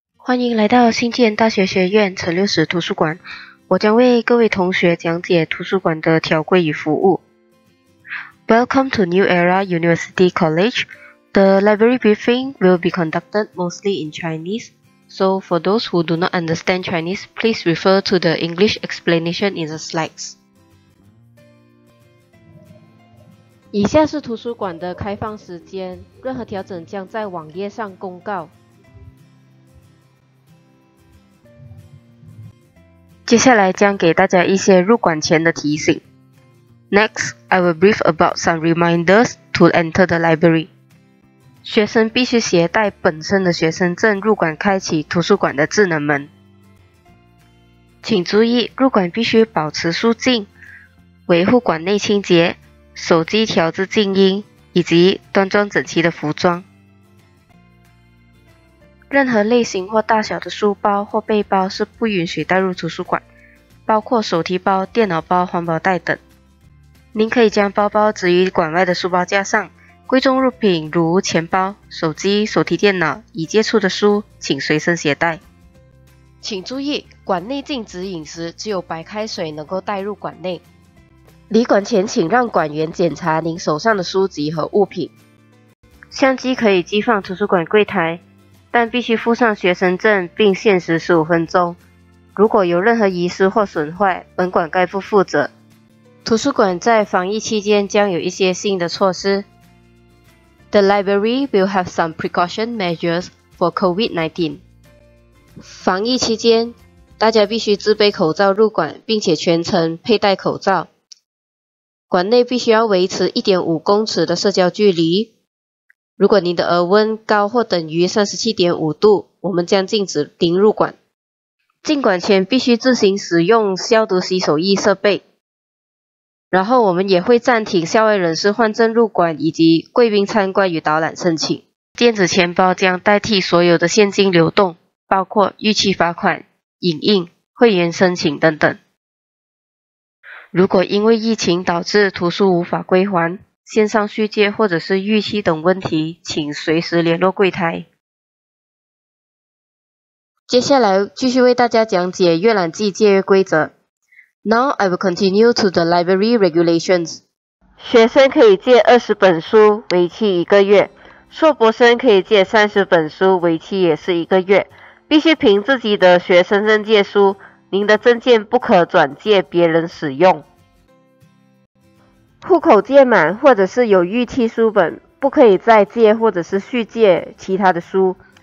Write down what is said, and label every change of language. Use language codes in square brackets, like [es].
[zh] 欢迎来到新建大学学院陈六十图书馆，我将为各位同学讲解图书馆的条规与服务。 [en] Welcome to New Era University College. The library briefing will be conducted mostly in Chinese, so for those who do not understand Chinese, please refer to the English explanation in the slides. [zh] 以下是图书馆的开放时间，任何调整将在网页上公告。接下来将给大家一些入馆前的提醒。 [en] Next, I will brief about some reminders to enter the library. [zh] 学生必须携带本身的学生证入馆开启图书馆的智能门。请注意，入馆必须保持肃静，维护馆内清洁，手机调至静音，以及端庄整齐的服装。任何类型或大小的书包或背包是不允许带入图书馆，包括手提包、电脑包、环保袋等。您可以将包包置于馆外的书包架上，贵重物品如钱包、手机、手提电脑、已接触的书请随身携带。请注意，馆内禁止饮食，只有白开水能够带入馆内。离馆前请让馆员检查您手上的书籍和物品。相机可以寄放图书馆柜台，但必须附上学生证并限时15分钟。如果有任何遗失或损坏，本馆该负负责。图书馆在防疫期间将有一些新的措施。 [en] The library will have some precaution measures for COVID-19. [zh] 防疫期间，大家必须自备口罩入馆，并且全程佩戴口罩。馆内必须要维持 1.5 公尺的社交距离。如果您的额温高或等于 37.5 度，我们将禁止您入馆。进馆前必须自行使用消毒洗手液设备。然后我们也会暂停校外人士换证入馆以及贵宾参观与导览申请。电子钱包将代替所有的现金流动，包括逾期罚款、影印、会员申请等等。如果因为疫情导致图书无法归还，线上续借或者是逾期等问题，请随时联络柜台。接下来继续为大家讲解阅览记借阅规则。 [en] Now I will continue to the library regulations. [zh] 学生可以借20本书，为期一个月。硕博生可以借30本书，为期也是一个月。必须凭自己的学生证借书，您的证件不可转借别人使用。户口借满或者是有逾期书本，不可以再借或者是续借其他的书。